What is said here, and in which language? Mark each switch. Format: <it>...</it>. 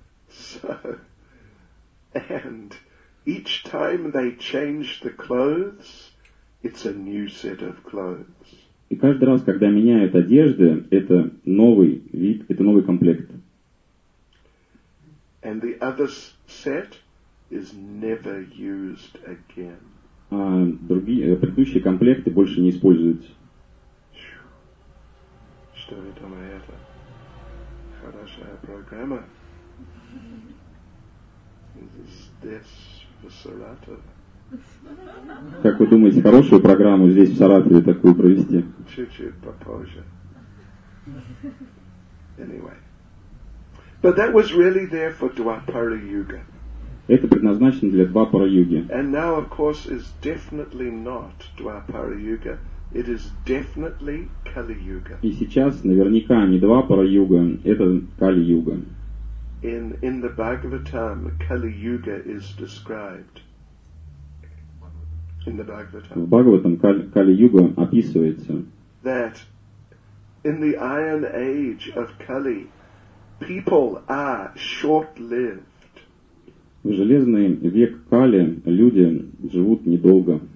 <en>So, and each time they change the clothes, it's a new set of clothes.</en> <ru>И каждый раз, когда меняют одежды, это новый вид, это новый комплект.</ru> <en>And the other set is never used again.</en> <ru>А другие предыдущие комплекты больше не используются. Что вы думаете? Хорошая программа. Здесь, в Саратове. Как вы думаете, хорошую программу здесь, в Саратове, такую провести? Чуть-чуть попозже.</ru> <en>Anyway. But that was really there for Dwapara Yuga.</en> <ru>Это предназначено для Двапара Юги.</ru> <en>And now, of course, is definitely not Dwapara Yuga. It is definitely Kali Yuga.</en> <ru>И сейчас наверняка не Двапара Юга, это Кали Юга.</ru> <en>In the Bhagavatam, Kali Yuga is described. In the Bhagavatam.</en> <ru>В Бхагаватам Кали Юга описывается.</ru> <en>That in the Iron Age of Kali, people are short-lived.</en> <ru>В Железный век Кали люди живут недолго.</ru>